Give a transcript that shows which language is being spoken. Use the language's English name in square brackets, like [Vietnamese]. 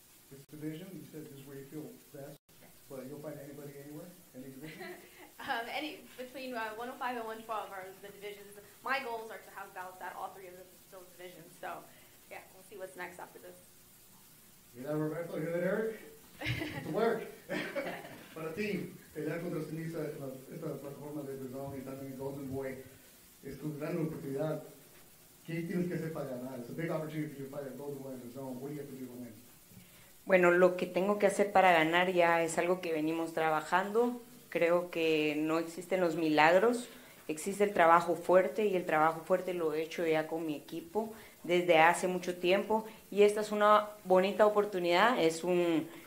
[English] This division, you said this is where you feel best, but you'll find anybody anywhere, any division? between 105 and 112 are the divisions. My goals are to have belts at all three of those divisions. So, yeah, we'll see what's next after this. You hear that, Roberto? You hear that, Eric? It's a work. [Spanish] Para ti, el arco de Sinisa, esta plataforma de DAZN y también Golden Boy, es tu gran oportunidad. ¿Qué tienes que hacer para ganar? [English] It's a big opportunity for you to fight at Golden Boy and DAZN. What do you have to do to win? [Spanish] Bueno, lo que tengo que hacer para ganar ya es algo que venimos trabajando. Creo que no existen los milagros. Existe el trabajo fuerte y el trabajo fuerte lo he hecho ya con mi equipo desde hace mucho tiempo. Y esta es una bonita oportunidad. Es un